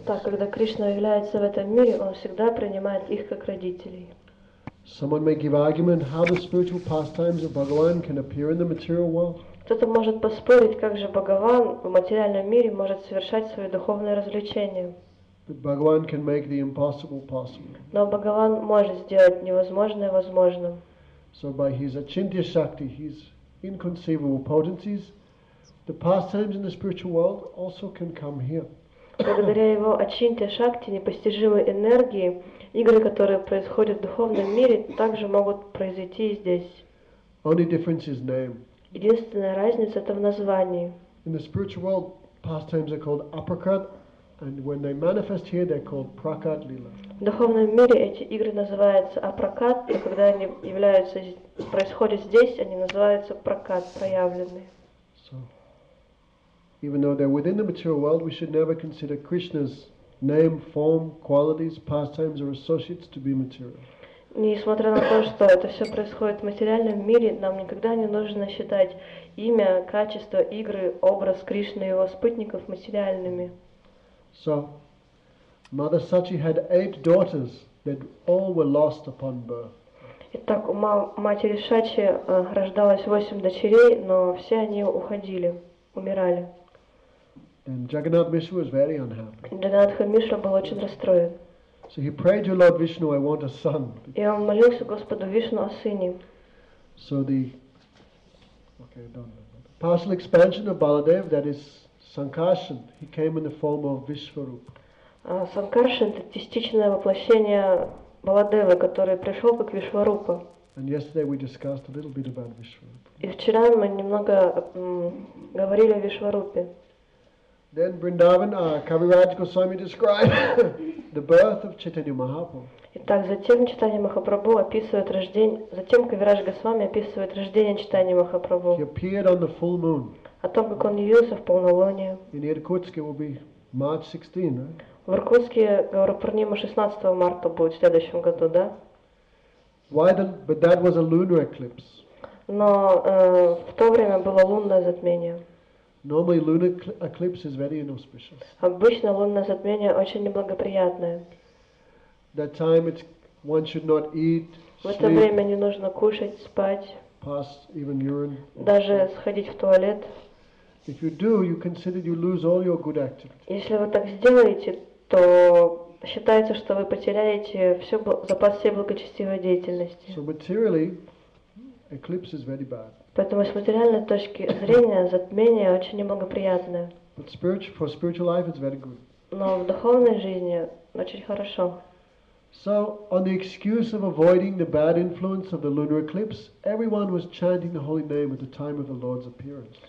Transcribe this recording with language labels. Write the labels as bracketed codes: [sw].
[ru] Так, когда Кришна является в этом мире, он всегда принимает их как родителей. [en] Someone may give argument how the spiritual pastimes of Bhagavan can appear in the material world. [ru] Кто-то может поспорить, как же Бхагаван в материальном мире может совершать свои духовные развлечения. [en] But Bhagavan can make the impossible possible. [ru] Но Бхагаван может сделать невозможное возможным. [en] So by his achintya shakti, his inconceivable potencies, the pastimes in the spiritual world also can come here. [ru] Благодаря его ачинтья шакти, непостижимой энергии, игры, которые происходят в духовном мире, также могут произойти и здесь. [en] Only difference is name. [ru] Единственная разница это в названии. [en] In the spiritual world, pastimes are called aprakrit, and when they manifest here, they're called prakrit lila. [ru] В духовном мире эти игры называются апракат, и когда они являются, происходят здесь, они называются пракат, проявленные. [en] So, even though they're within the material world, we should never consider Krishna's name, form, qualities, pastimes, or associates to be material. [ru] Несмотря на то, что это все происходит в материальном мире, нам никогда не нужно считать имя, качество, игры, образ Кришны и его спутников материальными. [en] So, Mother Sachi had 8 daughters that all were lost upon birth. [ru] Итак, у матери Шачи рождалось 8 дочерей, но все они уходили, умирали. [en] And Jagannath Mishra was very unhappy. [ru] Джагнатха Мишра был очень расстроен. [en] So he prayed to Lord Vishnu, I want a son. [ru] И он молился Господу Вишну о сыне. [en] So the partial expansion of Baladev, that is Sankarshan, he came in the form of Vishwarupa. [ru] Sankarshan — это частичное воплощение Баладева, который пришел как Вишварупа. [en] And yesterday we discussed a little bit about Vishwarupa. [ru] И вчера мы немного говорили о Вишварупе. [en] Then Vrindavan, Kaviraj Goswami described the birth of Chaitanya Mahaprabhu. [ru] Итак, затем Чайтанья Махапрабху описывает рождение, затем Кавираж Госвами описывает рождение Чайтанья Махапрабху. [en] He appeared on the full moon. [ru] О том, как он явился в полнолуние. [en] In Иркутске will be March 16, right? [ru] В Иркутске Гаурапурнима 16 марта будет в следующем году, да? [en] Why the, but that was a lunar eclipse. [ru] Но в то время было лунное затмение. [en] Normally lunar eclipse is very inauspicious. [ru] Обычно лунное затмение очень неблагоприятное. [en] That time it's one should not eat, [ru] в это время не нужно кушать, спать, [en] pass even urine, [ru] даже сходить в туалет. [en] If you do, you consider you lose all your good activity. [ru] Если вы так сделаете, то считается, что вы потеряете все, запас всей благочестивой деятельности. [en] So materially, eclipse is very bad. [ru] Поэтому с материальной точки зрения затмение очень неблагоприятное. [en] But spiritual, for spiritual life, it's very good. [ru] Но в духовной жизни очень хорошо. [en] So, on the excuse of avoiding the bad influence of the lunar eclipse, everyone was chanting the holy name at the time of the Lord's appearance.